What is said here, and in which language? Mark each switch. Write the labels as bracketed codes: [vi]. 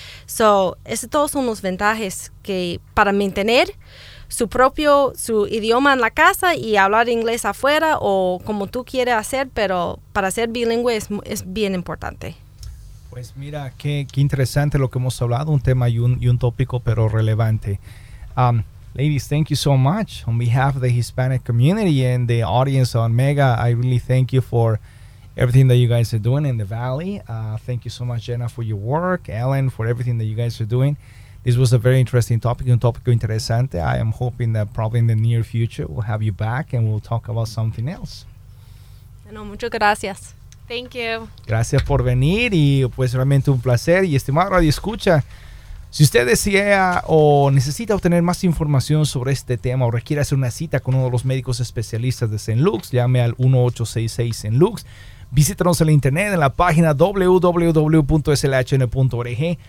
[es] So, esos todos son los ventajas que para mantener su propio idioma en la casa y hablar inglés afuera o como tú quieras hacer, pero para ser bilingüe es bien importante. Pues mira, qué interesante lo que hemos hablado, un tema y un tópico, pero relevante. [en] Ladies, thank you so much. On behalf of the Hispanic community and the audience on Mega, I really thank you for everything that you guys are doing in the Valley. Thank you so much, Jenna, for your work, Ellen, for everything that you guys are doing. This was a very interesting topic, [es] un tópico interesante. [en] I am hoping that probably in the near future we'll have you back and we'll talk about something else. [es] Bueno, muchas gracias. [en] Thank you. [es] Gracias por venir y pues realmente un placer. Y estimado Radio Escucha, si usted desea o necesita obtener más información sobre este tema o requiere hacer una cita con uno de los médicos especialistas de St. Luke's, llame al 1-866-SAINT-LUKE. Visítanos en la internet en la página www.slhn.org.